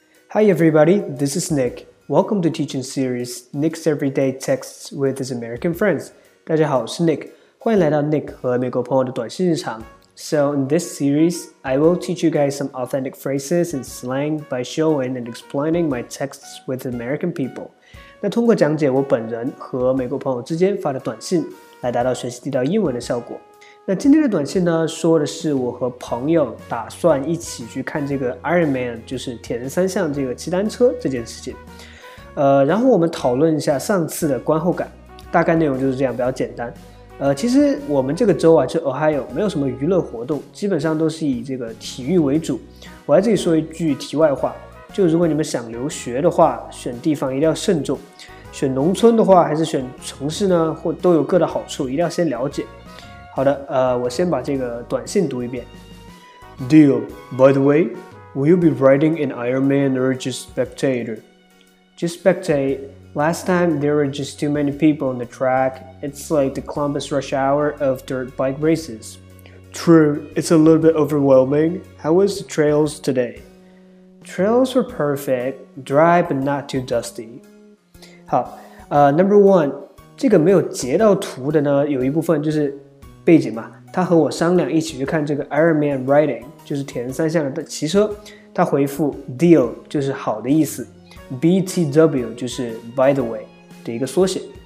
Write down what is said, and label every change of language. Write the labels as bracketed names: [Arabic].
[English] Hi everybody, this is Nick. Welcome to Teaching Series, Nick's Everyday Texts with his American Friends. [Chinese] 大家好,我是 Nick, 欢迎来到 Nick 和美国朋友的短信日常。 [English] So in this series, I will teach you guys some authentic phrases and slang by showing and explaining my texts with American people. [Chinese] 那通过讲解我本人和美国朋友之间发的短信,来达到学习地道英文的效果。那今天的短信呢，说的是我和朋友打算一起去看这个 Iron Man， 就是铁人三项这个骑单车这件事情。然后我们讨论一下上次的观后感，大概内容就是这样，比较简单。其实我们这个州啊，就 Ohio， 没有什么娱乐活动，基本上都是以这个体育为主。我在这里说一句题外话，就如果你们想留学的话，选地方一定要慎重。选农村的话，还是选城市呢，或都有各的好处，一定要先了解。好的，我先把这个短信读一遍。 [English] Deal, by the way, will you be riding an Ironman or just spectator? Just spectate. Last time, there were just too many people on the track. It's like the Columbus rush hour of dirt bike races. True, it's a little bit overwhelming. How was the trails today? Trails were perfect, dry but not too dusty. [Chinese] 好，number one, 这个没有截到图的呢，有一部分就是背景嘛，他和我商量一起去看这个 Ironman Riding， 就是铁人三项的骑车。他回复 Deal 就是好的意思， BTW 就是 By the way 的一个缩写。